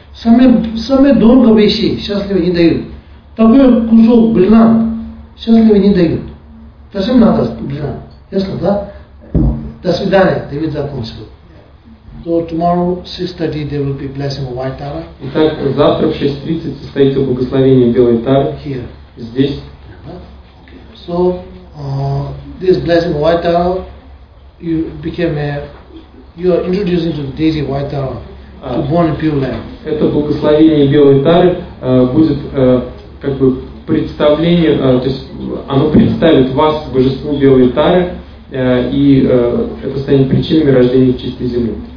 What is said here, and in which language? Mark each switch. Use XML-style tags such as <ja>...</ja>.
<ru>Самые дорогие вещи счастливы не дают. Такой кусок бриллиант счастливы не дают. Зачем надо бриллиант? Ясно, да? До свидания, Давид закончил.</ru> <en>So tomorrow 6:30 there will be blessing of White Tara.</en> <ru>Итак, завтра в 6:30 состоится благословение Белой Тары.</ru> <en>Here.</en> <ru>Здесь.</ru> <en>Okay. So this blessing of White Tara, you became a, you are introducing to the deity White Tara to born in pure land.</en> <ru>Это благословение Белой Тары будет как бы представление, то есть оно представит вас божеству Белой Тары, и это станет причиной рождения чистой земли.</ru>